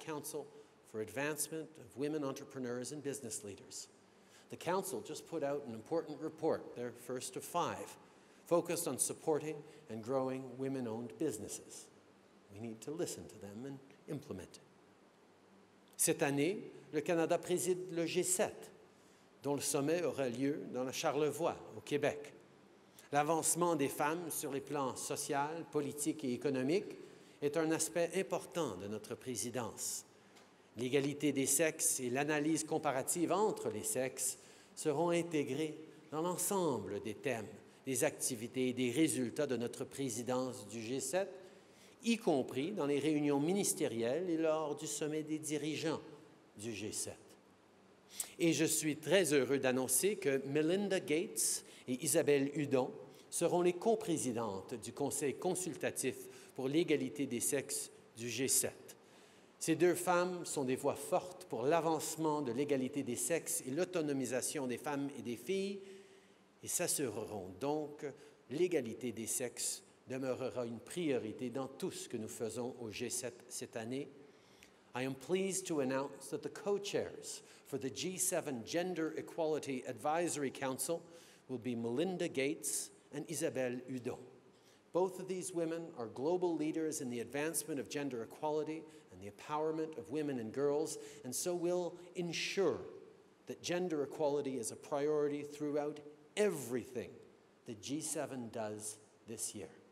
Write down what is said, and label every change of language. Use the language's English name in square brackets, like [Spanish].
[English] Council for Advancement of Women Entrepreneurs and Business Leaders. The Council just put out an important report, their first of five, focused on supporting and growing women-owned businesses. We need to listen to them and implement it. [French] Cette année, le Canada préside le G7, dont le sommet aura lieu dans la Charlevoix, au Québec. L'avancement des femmes sur les plans social, politique et économique est un aspect important de notre présidence. L'égalité des sexes et l'analyse comparative entre les sexes seront intégrées dans l'ensemble des thèmes, des activités et des résultats de notre présidence du G7, y compris dans les réunions ministérielles et lors du sommet des dirigeants du G7. Et je suis très heureux d'annoncer que Melinda Gates et Isabelle Hudon seront les coprésidentes du Conseil consultatif pour l'égalité des sexes du G7. Ces deux femmes sont des voix fortes pour l'avancement de l'égalité des sexes et l'autonomisation des femmes et des filles, et s'assureront donc l'égalité des sexes demeurera une priorité dans tout ce que nous faisons au G7 cette année. [English] I am pleased to announce that the co-chairs for the G7 Gender Equality Advisory Council will be Melinda Gates and Isabelle Hudon. Both of these women are global leaders in the advancement of gender equality and the empowerment of women and girls, and so will ensure that gender equality is a priority throughout everything the G7 does this year.